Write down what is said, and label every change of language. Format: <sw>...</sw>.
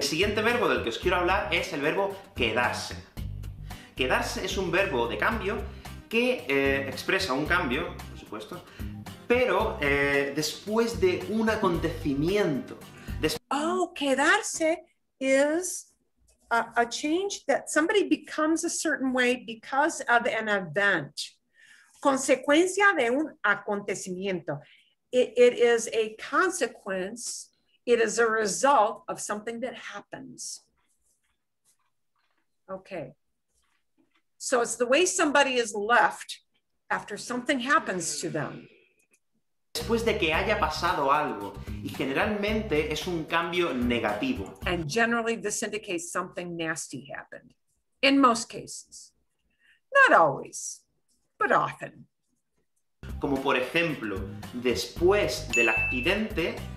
<es>El siguiente verbo del que os quiero hablar es el verbo quedarse. Quedarse es un verbo de cambio que expresa un cambio, por supuesto, pero después de un acontecimiento.</es> <en>Oh, quedarse is a change that somebody becomes a certain way because of an event.</en> <es>Consecuencia de un acontecimiento.</es> <en>It is a consequence. It is a result of something that happens. Okay. So it's the way somebody is left after something happens to them.</en> <es>Después de que haya pasado algo, y generalmente es un cambio negativo.</es> <en>And generally this indicates something nasty happened. In most cases. Not always, but often.</en> <es>Como por ejemplo, después del accidente...</es>